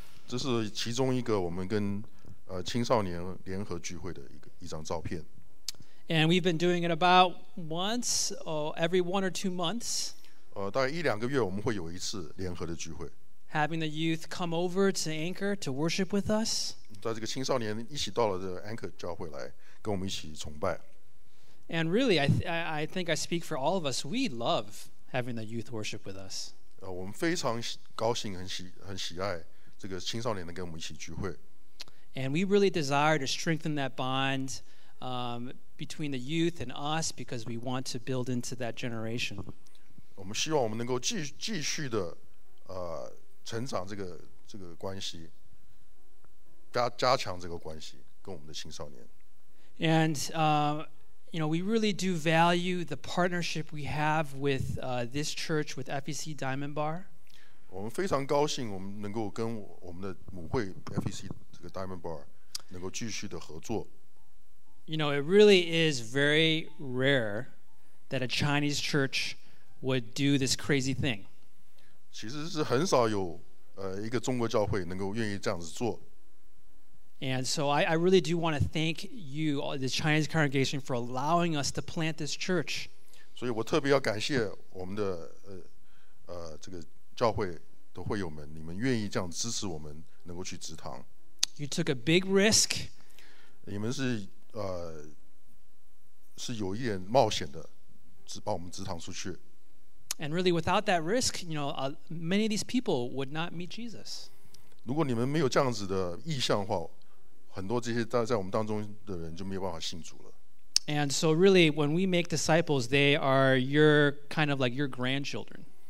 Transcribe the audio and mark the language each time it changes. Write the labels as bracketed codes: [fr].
[zh] 这是其中一个我们跟青少年联合聚会的一张照片。 [en] And we've been doing it about once, every one or two months. [zh] 大概一两个月我们会有一次联合的聚会。 [en] Having the youth come over to Anchor to worship with us. [zh] 在这个青少年一起到了这 Anchor 教会来。跟我们一起崇拜。 [en] And really, I think I speak for all of us. We love having the youth worship with us. [zh] 我们非常高兴，很喜爱这个青少年能跟我们一起聚会。 [en] And we really desire to strengthen that bond between the youth and us because we want to build into that generation. [zh] 我们希望我们能够继续的成长这个关系，加强这个关系跟我们的青少年。 [en] And, you know, we really do value the partnership we have with this church, with FEC Diamond Bar. [zh] 我们非常高兴我们能够跟我们的母会 FEC 这个 Diamond Bar 能够继续的合作。 [en] You know, it really is very rare that a Chinese church would do this crazy thing. [zh] 其实是很少有一个中国教会能够愿意这样子做。 [en] And so I really do want to thank you, the Chinese congregation, for allowing us to plant this church. [zh] 所以我特别要感谢我们的这个教会的会友们，你们愿意这样支持我们能够去职堂。 [en] You took a big risk. [zh] 你们是是有一点冒险的，只把我们职堂出去。 [en] And really, without that risk, you know, many of these people would not meet Jesus. [zh] 如果你们没有这样子的意向的话。很多这些在我们当中的人就没有办法信主了。 [en] And so really, when we make disciples, they are your kind of like your grandchildren.